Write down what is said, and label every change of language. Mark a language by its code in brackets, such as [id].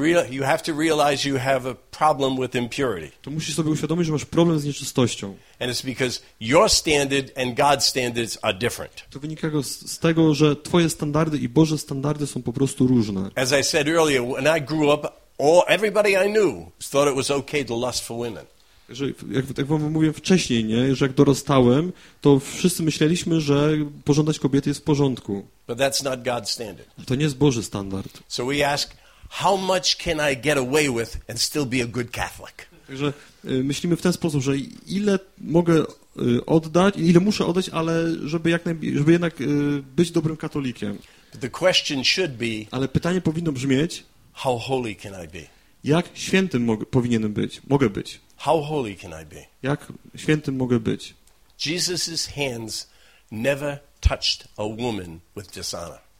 [en] you have to realize you have a problem with impurity. [pl] To musisz sobie uświadomić, że masz problem z nieczystością. [en] And it's because your standard and God's standards are different. [pl] To wynika z tego, że twoje standardy i Boże standardy są po prostu różne. [en] As I said earlier, when I grew up, everybody I knew thought it was okay to lust for women. [pl] Jak wam mówiłem wcześniej, nie, że jak dorastałem, to wszyscy myśleliśmy, że pożądać kobiety jest w porządku. [en] But that's not God's standard. [pl] To nie jest Boży standard. [en] So we ask, how much can I get away with and still be a good Catholic? [pl] Także myślimy w ten sposób, że ile mogę oddać, ile muszę oddać, ale żeby jednak być dobrym katolikiem. [en] But the question should be, [pl] ale pytanie powinno brzmieć, [en] how holy can I be? [pl] Jak świętym powinienem być, mogę być? [en] How holy can I be? [pl] Jak świętym mogę być? [en] Jesus's hands never touched a woman with dishonor.